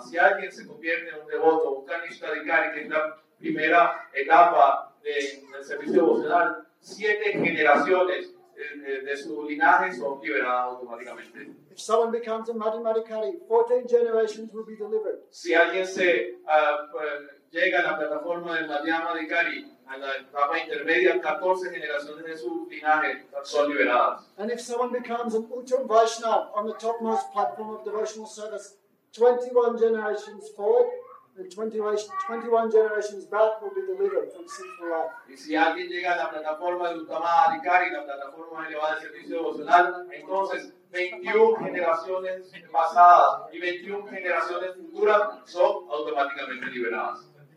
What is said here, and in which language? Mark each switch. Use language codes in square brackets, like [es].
[es] Si alguien se convierte en un devoto, un Kanishtha Adhikari, que es la primera etapa del servicio devocional, siete generaciones de su linaje son liberadas automáticamente. [en] If someone becomes a Madhumadhikari, 14 generations will be delivered. [es] Si alguien se llega a la plataforma del Madhumadhikari, a la etapa intermedia, 14 generaciones de su linaje son liberadas. [en] And if someone becomes an Uttam Vaishnav on the topmost platform of devotional service, 21 generations forward and 21 generations back will be delivered from sinful life. [es] Y si alguien llega a la plataforma de Uttam Adhikari, la plataforma elevada de servicio devocional, entonces 21 generaciones pasadas y 21 generaciones futuras son automáticamente liberadas.